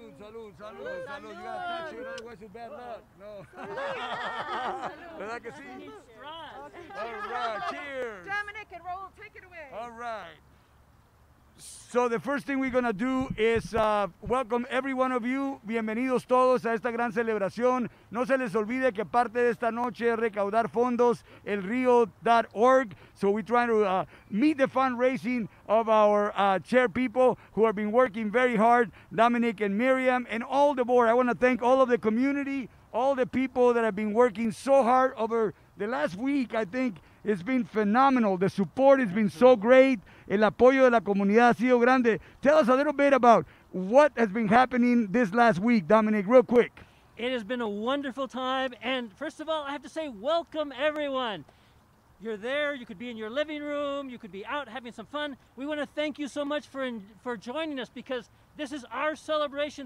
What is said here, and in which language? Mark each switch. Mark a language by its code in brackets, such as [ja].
[en] You gotta touch it, otherwise it's bad luck. [es] No. Salud! [en] He's strong. All right, cheers. Dominic and Raul, take it away. All right. So the first thing we're going to do is welcome every one of you. [es] Bienvenidos todos a esta gran celebración. No se les olvide que parte de esta noche es recaudar fondos elrio.org. [en] So we're trying to meet the fundraising of our chair people who have been working very hard, Dominic and Miriam, and all the board. I want to thank all of the community, all the people that have been working so hard over the last week. I think it's been phenomenal. The support has been so great. [es] El apoyo de la comunidad ha sido grande. [en] Tell us a little bit about what has been happening this last week, Dominic, real quick. It has been a wonderful time. And first of all, I have to say, welcome everyone. You're there, you could be in your living room, you could be out having some fun. We want to thank you so much for joining us, because this is our celebration.